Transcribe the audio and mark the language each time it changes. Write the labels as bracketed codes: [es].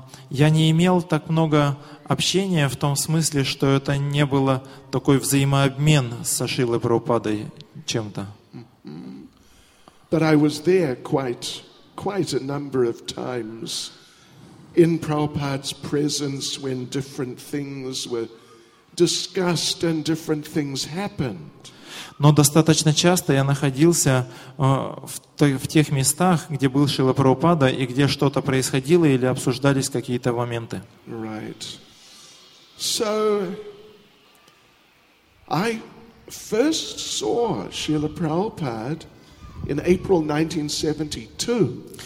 [ru] Я не имел так много общения в том смысле, что это не было такой взаимообмен со Шрилой Прабхупадой чем-то. [en] But I was there quite a number of times in Prabhupada's presence when different things were discussed and different things happened. [ru] Но достаточно часто я находился в тех местах, где был Шрила Прабхупада и где что-то происходило или обсуждались какие-то моменты. [en] Right. So I first saw Srila Prabhupada in April 1972.